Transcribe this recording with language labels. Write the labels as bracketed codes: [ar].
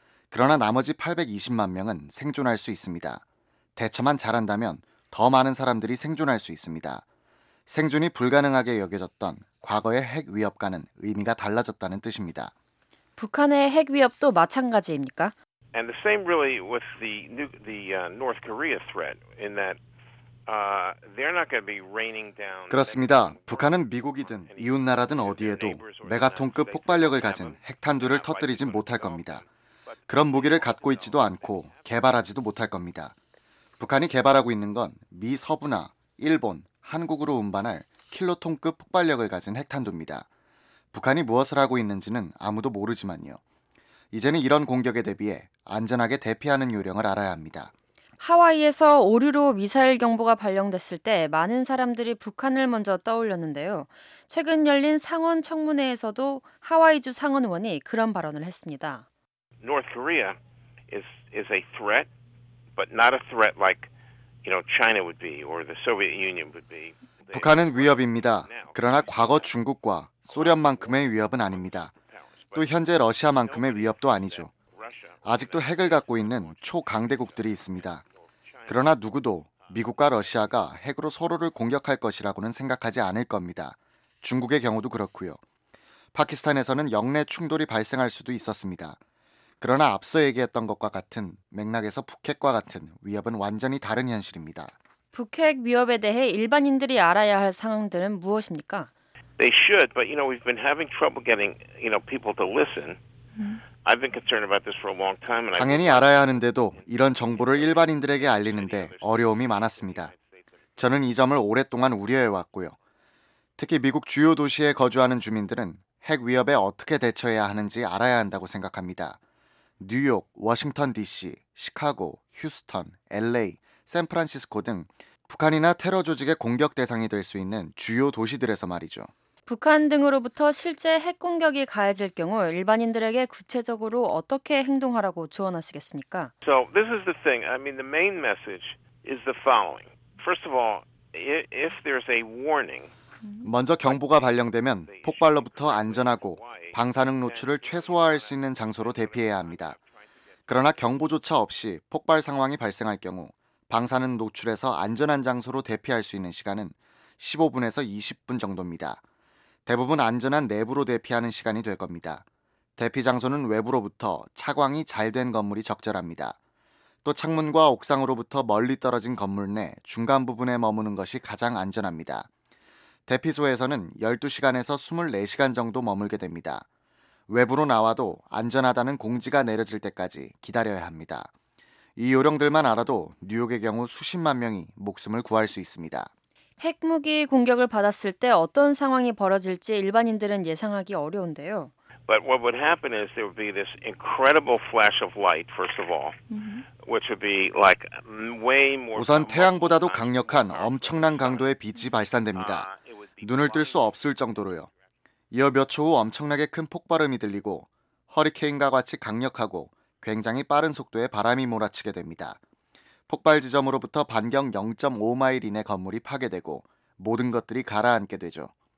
[ko] 그러나 나머지 820만 명은 생존할 수 있습니다. 대처만 잘한다면 더 많은 사람들이 생존할 수 있습니다. 생존이 불가능하게 여겨졌던 과거의 핵 위협과는 의미가 달라졌다는 뜻입니다. 북한의 핵 위협도 마찬가지입니까? [en] And the same really with the North Korea threat in that they're not going to be raining down. [ko] 그렇습니다. 북한은 미국이든 이웃 나라든 어디에도 메가톤급 폭발력을 가진 핵탄두를 터뜨리지 못할 겁니다. 그런 무기를 갖고 있지도 않고 개발하지도 못할 겁니다. 북한이 개발하고 있는 건 미 서부나 일본, 한국으로 운반할 킬로톤급 폭발력을 가진 핵탄두입니다. 북한이 무엇을 하고 있는지는 아무도 모르지만요. 이제는 이런 공격에 대비해 안전하게 대피하는 요령을 알아야 합니다. 하와이에서 오류로 미사일 경보가 발령됐을 때 많은 사람들이 북한을 먼저 떠올렸는데요. 최근 열린 상원 청문회에서도 하와이주 상원의원이 그런 발언을 했습니다. [en] North Korea is a threat, but not a threat like, you know, China would be or the Soviet Union would be. [ko] 북한은 위협입니다. 그러나 과거 중국과 소련만큼의 위협은 아닙니다. 또 현재 러시아만큼의 위협도 아니죠. 아직도 핵을 갖고 있는 초강대국들이 있습니다. 그러나 누구도 미국과 러시아가 핵으로 서로를 공격할 것이라고는 생각하지 않을 겁니다. 중국의 경우도 그렇고요. 파키스탄에서는 영내 충돌이 발생할 수도 있었습니다. 그러나 앞서 얘기했던 것과 같은 맥락에서 북핵과 같은 위협은 완전히 다른 현실입니다. 북핵 위협에 대해 일반인들이 알아야 할 상황들은 무엇입니까? [en] They should, but you know, we've been having trouble getting, you know, people to listen. I've been concerned about this for a long time. [ko] 당연히 알아야 하는데도 이런 정보를 일반인들에게 알리는데 어려움이 많았습니다. 저는 이 점을 오랫동안 우려해 왔고요. 특히 미국 주요 도시에 거주하는 주민들은 핵 위협에 어떻게 대처해야 하는지 알아야 한다고 생각합니다. 뉴욕, 워싱턴 DC, 시카고, 휴스턴, LA, 샌프란시스코 등 북한이나 테러 조직의 공격 대상이 될 수 있는 주요 도시들에서 말이죠. 북한 등으로부터 실제 핵 공격이 가해질 경우 일반인들에게 구체적으로 어떻게 행동하라고 조언하시겠습니까? [en] So this is the thing. I mean, the main message is the following. First of all, if there's a warning, [ko] 먼저 경보가 발령되면 폭발로부터 안전하고 방사능 노출을 최소화할 수 있는 장소로 대피해야 합니다. 그러나 경보조차 없이 폭발 상황이 발생할 경우 방사능 노출에서 안전한 장소로 대피할 수 있는 시간은 15분에서 20분 정도입니다. 대부분 안전한 내부로 대피하는 시간이 될 겁니다. 대피 장소는 외부로부터 차광이 잘 된 건물이 적절합니다. 또 창문과 옥상으로부터 멀리 떨어진 건물 내 중간 부분에 머무는 것이 가장 안전합니다. 대피소에서는 12시간에서 24시간 정도 머물게 됩니다. 외부로 나와도 안전하다는 공지가 내려질 때까지 기다려야 합니다. 이 요령들만 알아도 뉴욕의 경우 수십만 명이 목숨을 구할 수 있습니다. 핵무기 공격을 받았을 때 어떤 상황이 벌어질지 일반인들은 예상하기 어려운데요. [en] But what would happen is there would be this incredible flash of light, first of all, which would be like way more. [ko] 우선 태양보다도 강력한 엄청난 강도의 빛이 발산됩니다. 눈을 뜰 수 없을 정도로요. 이어 몇 초 후 엄청나게 큰 폭발음이 들리고 허리케인과 같이 강력하고 굉장히 빠른 속도의 바람이 몰아치게 됩니다. 폭발 지점으로부터 반경 0.5마일 이내 건물이 파괴되고 모든 것들이 가라앉게 되죠.